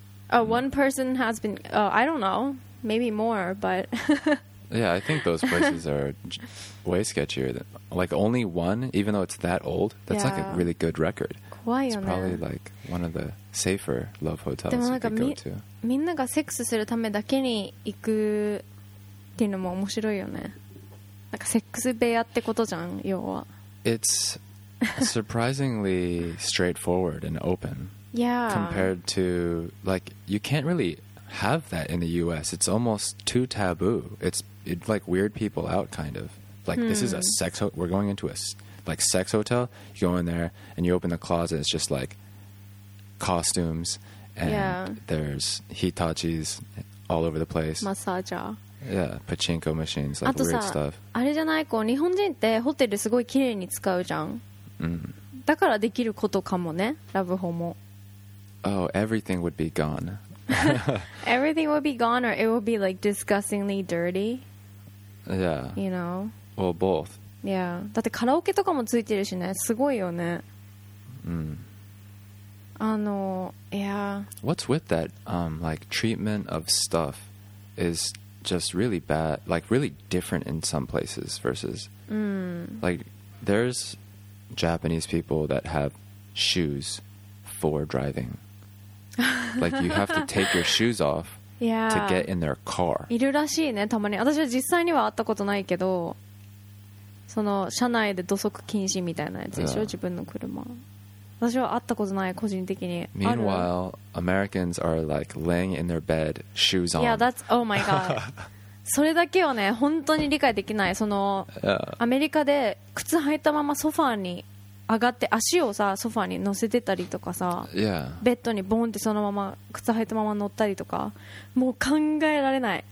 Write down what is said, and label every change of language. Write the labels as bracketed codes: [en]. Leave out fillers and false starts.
[en] Oh, one person has been I don't know, maybe more, but Yeah, I think those places are way sketchier than, like only one, even though it's that old, that's like a really good record. [ja] 怖いよね。 [en] It's probably like one of the safer love hotels you could go to. [ja] みんながセックスするためだけに行くっていうのも面白いよね。なんかセックス部屋ってことじゃん、要は。 [en] It's surprisingly straightforward and open. Yeah. Compared to, like, you can't really have that in the U.S. It's almost too taboo. It's like weird people out, kind of. Like, this is a sex hotel. We're going into a, like, sex hotel. You go in there and you open the closet. It's just, like, costumes. And there's Hitachis all over the place. Massager. Yeah, pachinko machines, like weird stuff. [ja] あれじゃない、こう日本人ってホテルすごい綺麗に使うじゃん。だからできることかもね、ラブホも。 [en] Oh, everything would be gone. Everything will be gone, or it will be like disgustingly dirty. Yeah. You know? Or both. Yeah. [ja] だってカラオケとかもついてるしね。すごいよね。 [en] Yeah. What's with that, like, treatment of stuff is just really bad, like, really different in some places versus... Like, there's Japanese people that have shoes for driving. Like, you have to take your shoes off yeah. to get in their car. [ja] いるらしいね、たまに。私は実際には会ったことないけど、その車内で土足禁止みたいなやつでしょ、自分の車。私は会ったことない、個人的に。 [en] Meanwhile, Americans are like laying in their bed, shoes on. Yeah, that's, oh my god. [ja] それだけはね、本当に理解できない。その、アメリカで靴履いたままソファーに上がって、足をさ、ソファーに乗せてたりとかさ、 [en] yeah. [ja] ベッドにボンってそのまま靴履いたまま乗ったりとか、もう考えられない。